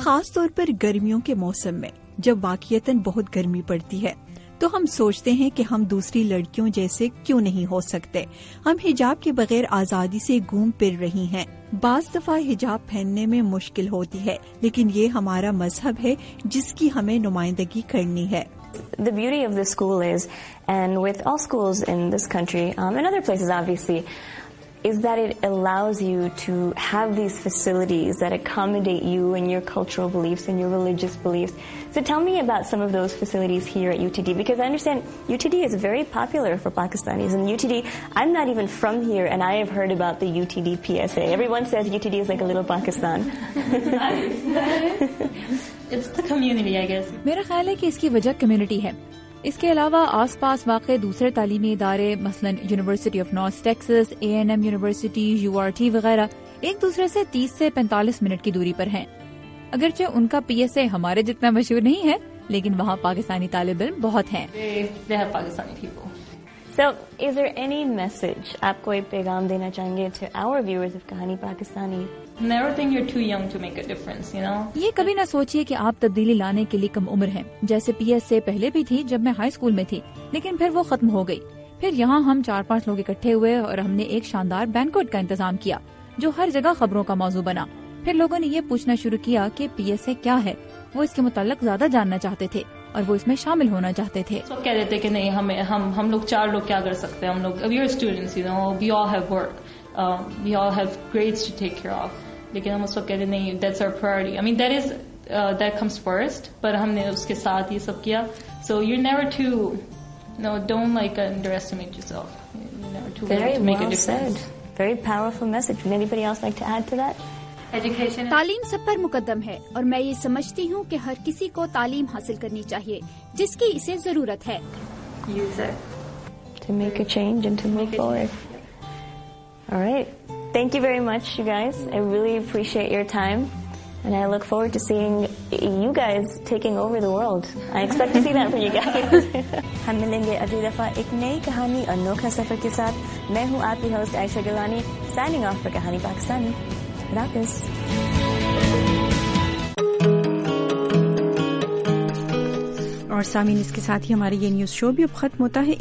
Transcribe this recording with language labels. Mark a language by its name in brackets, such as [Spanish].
[Urdu] خاص طور پر گرمیوں کے موسم میں جب واقعتاً بہت گرمی پڑتی ہے تو ہم سوچتے ہیں کہ ہم دوسری لڑکیوں جیسے کیوں نہیں ہو سکتے. ہم حجاب کے بغیر آزادی سے گھوم پھر رہی ہیں. بعض دفعہ حجاب پہننے میں مشکل ہوتی ہے لیکن یہ ہمارا مذہب ہے جس کی ہمیں نمائندگی کرنی ہے. [English] The beauty of this school is, and with all schools in this country and other places obviously, is that it allows you to have these facilities that accommodate you and your cultural beliefs and your religious beliefs. So tell me about some of those facilities here at UTD, because I understand UTD is very popular for Pakistanis. And UTD, I'm not even from here, and I have heard about the UTD PSA. Everyone says UTD is like a little Pakistan. It's the community, I guess. [Urdu] Mera khayal hai ki iski wajah community hai. اس کے علاوہ آس پاس واقع دوسرے تعلیمی ادارے مثلاً university of north Texas, a N M university, you are T وغیرہ ایک دوسرے سے 30 سے 45 منٹ کی دوری پر ہیں. اگرچہ ان کا پی ایس اے ہمارے جتنا مشہور نہیں ہے لیکن وہاں پاکستانی طالب علم بہت ہیں. [English] So, is there any message [Urdu] آپ کو ایک پیغام دینا چاہیں گے [English] to our viewers of Kahani Pakistani? Never think you're too young to make a difference, you know? [Urdu] یہ کبھی نہ سوچئے کہ آپ تبدیلی لانے کے لیے کم عمر ہیں. جیسے پی ایس اے پہلے بھی تھی جب میں ہائی اسکول میں تھی لیکن پھر وہ ختم ہو گئی. پھر یہاں ہم 4-5 لوگ اکٹھے ہوئے اور ہم نے ایک شاندار بینکوٹ کا انتظام کیا جو ہر جگہ خبروں کا موضوع بنا. پھر لوگوں نے یہ پوچھنا شروع کیا کہ پی ایس اے کیا ہے. وہ اس کے متعلق زیادہ جاننا چہتے تھے اور وہ اس میں شامل ہونا چاہتے تھے. سب کہہ رہے تھے کہ نہیں ہم لوگ [English] 4 لوگ کیا کر سکتے ہیں. ہم لوگ we are students, you know, we all have work, we all have grades to take care of. [Urdu] لیکن ہم اس کو کہتے نہیں, [English] That's our priority. I mean that is that comes first, [Urdu] پر ہم نے اس کے ساتھ یہ سب کیا. [English] So you never to No, don't like underestimate yourself. Very well said. Very powerful message. Would anybody else like to add to that? [Urdu] تعلیم سب پر مقدم ہے اور میں یہ سمجھتی ہوں کہ ہر کسی کو تعلیم حاصل کرنی چاہیے جس کی اسے ضرورت ہے. [English] To make a change and to move forward. All right. Thank you very much, you guys. I really appreciate your time. And I look forward to seeing you guys taking over the world. I expect to see that from you guys. [Urdu] ہم ملیں گے اگلی دفعہ ایک نئی کہانی اور انوکھا سفر کے ساتھ. میں ہوں آپ کی host Aisha Gilani, signing off for کہانی پاکستانی. اور سامعین, اس کے ساتھ ہی ہمارا یہ نیوز شو بھی اب ختم ہوتا ہے.